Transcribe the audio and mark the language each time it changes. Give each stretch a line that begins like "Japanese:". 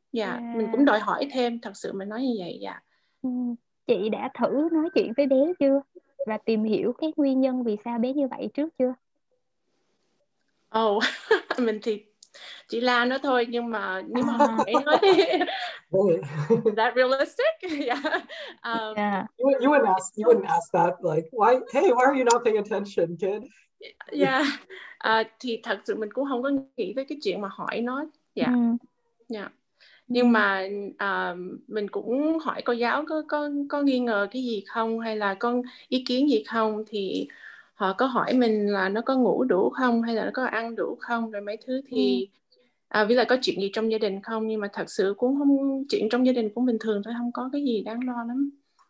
Vietnamese: Dạ mình cũng đòi hỏi thêm, thật sự mình nói như vậy. Dạ chị đã thử nói chuyện với bé chưa và tìm hiểu cái nguyên nhân vì sao bé như vậy trước chưa? mình thì chỉ la nó thôi, nhưng mà hỏi nó thì
English: is that realistic? You wouldn't ask that, like why, hey, why are you not paying attention, kid?
Vietnamese: Thì thật sự mình cũng không có nghĩ tới cái chuyện mà hỏi nó. Nhưng mà mình cũng hỏi cô giáo có nghi ngờ cái gì không, hay là có ý kiến gì không, thì họ có hỏi mình là nó có ngủ đủ không, hay là nó có ăn đủ không, rồi mấy thứ thì với lại có chuyện gì trong gia đình không, nhưng mà thật sự cũng không, chuyện trong gia đình cũng bình thường thôi, không có cái gì đáng lo lắm.